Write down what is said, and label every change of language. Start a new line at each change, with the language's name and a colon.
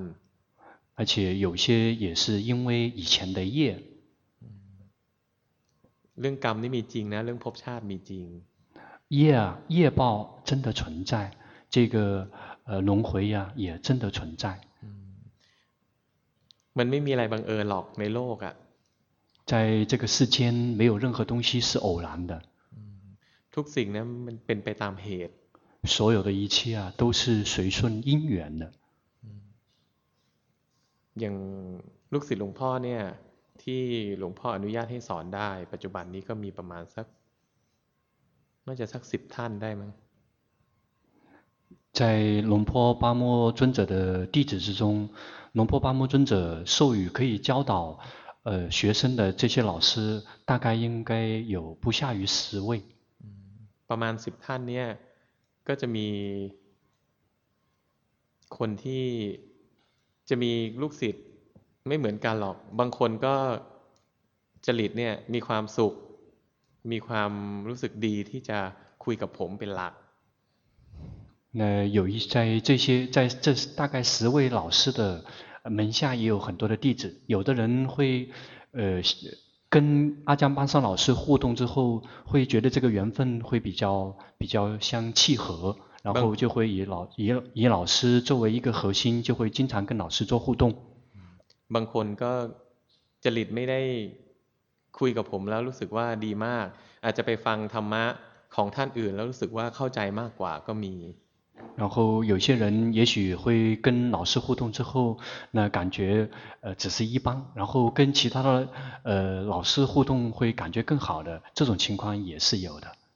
Chinese: 而且有些也是因为以前的业
Thai: เรื่องกรรมนี่มีจริงนะเรื่องภพชาติมีจริง
Chinese: 业报真的存在这个轮回呀也真的存在
Thai: มันไม่มีอะไรบังเอิญหรอกในโลกอ่ะ
Chinese: 在这个世间没有任何东西是偶然的
Thai: ทุกสิ่งนั้นมันเป็นไปตามเหตุ
Chinese: 所有的一切啊都是随顺因缘的
Thai: อย่างลูกศิษย์หลวงพ่อเนี่ยที่หลวงพ่ออนุญาตให้สอนได้ปัจจุบันนี้ก็มีประมาณสักน่าจะสัก10ท่านได้มั้ง
Chinese: 在龙坡巴莫尊者的弟子之中龙坡巴莫尊者授予可以教导学生的这些老师大概应该有不下于十位
Thai: ประมาณ10ท่านเนี่ยก็จะมีคนที่จะมีลูกศิษย์ไม่เหมือนกันหรอกบางคนก็จริตเนี่ยมีความสุขมีความรู้สึกดีที่จะคุยกับผมเป็นหลัก
Chinese: 那有一在这些在这大概十位老师的门下也有很多的弟子有的人会跟阿江班上老师互动之后会觉得这个缘分会比较相契合然后就会以老师作为一个核心就会经常跟老师做互动
Thai: บางคนก็จริตไม่ได้คุยกับผมแล้วรู้สึกว่าดีมากอาจจะไปฟังธรรมะของท่านอื่นแล้วรู้สึกว่าเข้าใจมากกว่าก็มี
Chinese: 然后有些人也许会跟老师互动之后那感觉只是一般然后跟其他的老师互动会感觉更好的这种情况也是有的